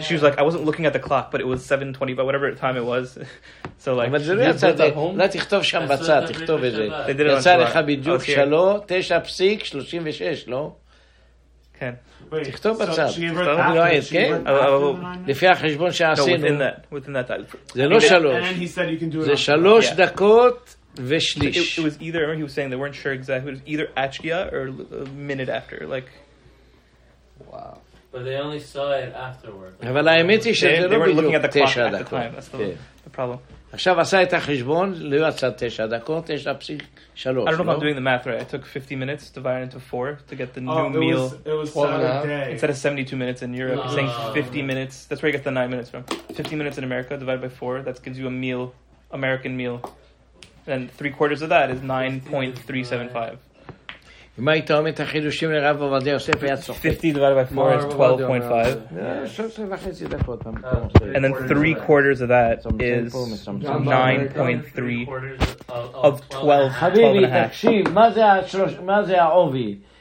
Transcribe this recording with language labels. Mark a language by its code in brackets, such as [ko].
[en] She was like, I wasn't looking at the clock, but it was 7:20, but whatever time it was. So like... But did you say that? [he] לא תכתוב שם בצד, תכתוב את זה. [en] They did it on Shabbat. [he] יצא לך בדיוק שלו, 9.36, לא? כן. תכתוב בצד. [en] So she gave birth after the 9 [he] לפי החשבון שעשינו. [en] No, within that. [he] זה לא שלוש. [en] And he said you can do it. [he] זה שלוש דקות ושליש. [en] It was either, I remember he was saying, they weren't sure exactly, it was either Achkia or a minute after, like... Wow. But they only saw it afterward. [he] אבל האמת היא שזה לא בדיוק 9 דקות. [en] That's the problem. [he] עכשיו עשה את החשבון, לא יצא 9 דקות, 9.3. [en] I don't know if I'm doing the math right. It took 50 minutes divided into 4 to get the new meal. It was 12 and a half. Instead of 72 minutes in Europe, you're saying 50 minutes. That's where you get the 9 minutes from. 50 minutes in America divided by 4, that gives you a meal, American meal. And 3/4 of that is 9.375. [he] אם היית אומר את החידושים לרב עובדיה יוסף, היה צוחק. [en] 50 divided by 4 is 12.5. [he] 3.5 דקות. [en] And then 3/4 of that is 9.3 of 12. [he] חביבי, תקשיב, מה זה העובי?